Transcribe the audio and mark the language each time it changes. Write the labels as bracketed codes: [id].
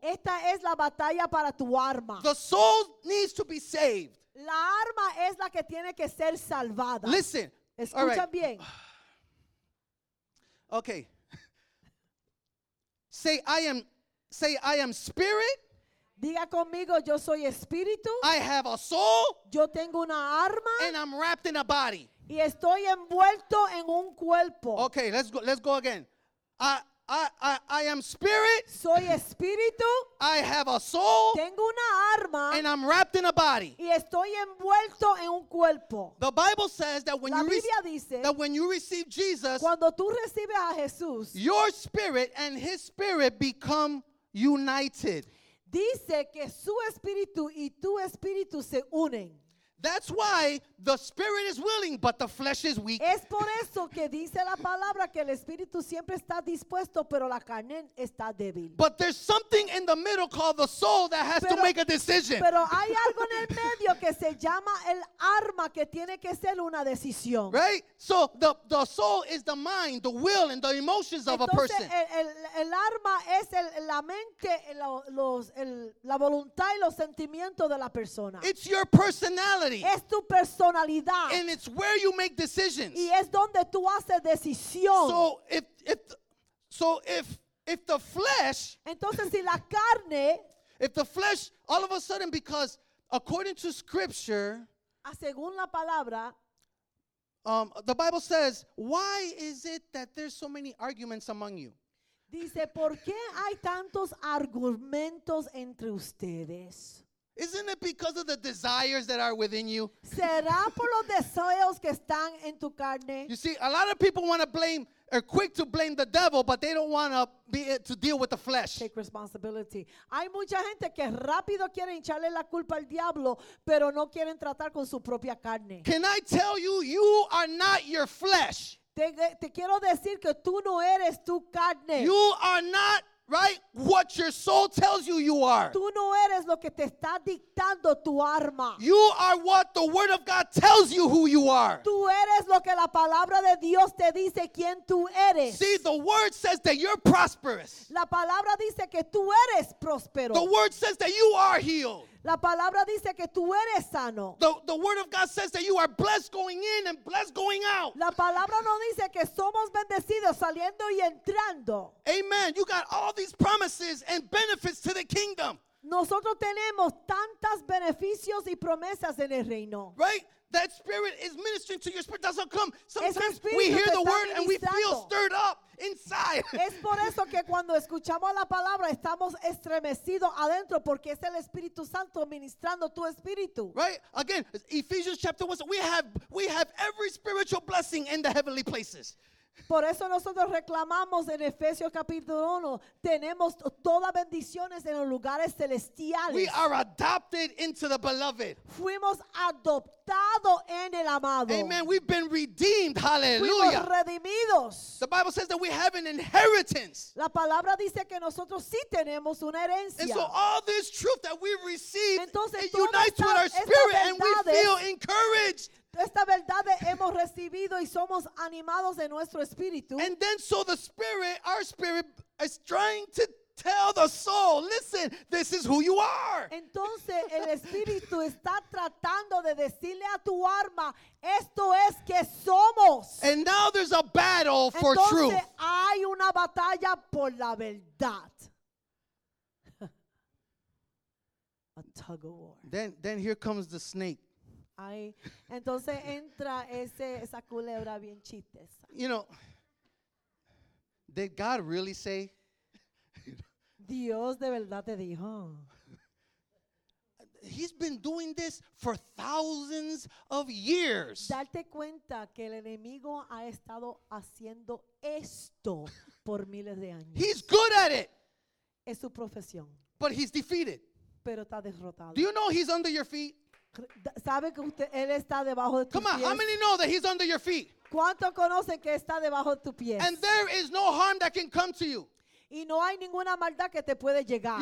[es] Esta es la batalla para tu arma. [en] The soul needs to be saved. [es] La arma es la que tiene que ser salvada. [en] Listen. [es] Escucha [en] all right. [es] bien. [en] Okay. Say I am spirit. [es] Diga conmigo, yo soy espíritu. [en] I have a soul. [es] Yo tengo una arma. [en] And I'm wrapped in a body. [es] Y estoy envuelto en un cuerpo. [en] Okay, let's go again. I am spirit. [es] Soy espíritu. [en] I have a soul. [es] Tengo una arma. [en] And I'm wrapped in a body. [es] Y estoy envuelto en un cuerpo. [en] The Bible says that when [es] La Biblia dice, [en] that when you receive Jesus, [es] cuando tú recibes a Jesús, [en] your spirit and his spirit become united. [es] Dice que su espíritu y tu espíritu se unen. [en] That's why the spirit is willing, but the flesh is weak. [es] Es por eso que dice la palabra que el espíritu siempre está dispuesto, pero la carne está débil. [en] But there's something in the middle called the soul that has to make a decision. [es] Pero hay algo en el medio que se llama el arma que tiene que ser una decisión. [en] Right? So the soul is the mind, the will, and the emotions [es] entonces, [en] of a person. [es] El arma es la mente, la voluntad y los sentimientos de la persona. [en] It's your personality. [es] Es tu personalidad. [en] And it's where you make decisions. [es] Y es donde tú haces decisión. [en] So if the flesh, [es] entonces si la carne, [en] if the flesh all of a sudden, because according to scripture, [es] según la palabra, [en] the Bible says, why is it that there's so many arguments among you? [es] Dice, ¿por qué hay tantos argumentos entre ustedes? [en] Isn't it because of the desires that are within you? [es] ¿Será por los deseos que están en tu carne? [en] You see, a lot of people want to blame, are quick to blame the devil, but they don't want to be to deal with the flesh. Take responsibility. [es] Hay mucha gente que rápido quiere echarle la culpa al diablo, pero no quieren tratar con su propia carne. [en] Can I tell you, you are not your flesh. [es] Te quiero decir que tú no eres tu carne. [en] You are not. Right? What your soul tells you you are. [es] Tú no eres lo que te está dictando tu arma. [en] You are what the word of God tells you who you are. [es] Tú eres lo que la palabra de Dios te dice quién tú eres. [en] See, the word says that you're prosperous. [es] La palabra dice que tú eres próspero. [en] The word says that you are healed. [es] La palabra dice que tú eres sano. [en] The word of God says that you are blessed going in and blessed going out. [es] La palabra no dice que somos bendecidos saliendo y entrando. [en] Amen. You got all these promises and benefits to the kingdom. [es] Nosotros tenemos tantos beneficios y promesas en el reino. [en] Right? That spirit is ministering to your spirit. That's how come sometimes we hear the word and we feel stirred up inside. [es] Es por eso que cuando escuchamos la palabra estamos estremecidos adentro porque es el Espíritu Santo ministrando tu espíritu. [en] Right? Again, Ephesians chapter 1, we have every spiritual blessing in the heavenly places. [es] Por eso nosotros reclamamos en Efesios capítulo 1, tenemos todas bendiciones en los lugares celestiales. [en] We are adopted into the beloved. [es] Fuimos adoptados en el amado. [en] Amen. We've been redeemed. Hallelujah. [es] Fuimos redimidos. [en] The Bible says that we have an inheritance. [es] La palabra dice que nosotros sí tenemos una herencia. [en] And so all this truth that we receive, [es] entonces, [en] it unites with our spirit and we feel encouraged. [es] Esta verdad hemos recibido y somos animados de nuestro espíritu. [en] And then so the spirit, our spirit is trying to tell the soul, listen, this is who you are. [es] Entonces el espíritu está tratando de decirle a tu alma, esto es que somos. [en] And now there's a battle for [es] entonces, [en] truth. [es] Entonces hay una batalla por la verdad. [en] A tug of war. Then here comes the snake. [es] Entonces entra esa culebra bien chistosa. [en] You know, did God really say? [es] Dios de verdad te dijo. [en] He's been doing this for thousands of years. [es] Date cuenta que el enemigo ha estado haciendo esto por miles de años. [en] He's good at it. [es] Es su profesión. [en] But he's defeated. [es] Pero está derrotado. [en] Do you know he's under your feet? [es] ¿Sabe que usted, él está debajo de tu [en] Come on, [es] pies? [en] How many know that he's under your feet? [es] ¿Cuánto conocen que está debajo de tu pies? [en] And there is no harm that can come to you. [es] Y no hay ninguna maldad que te puede llegar.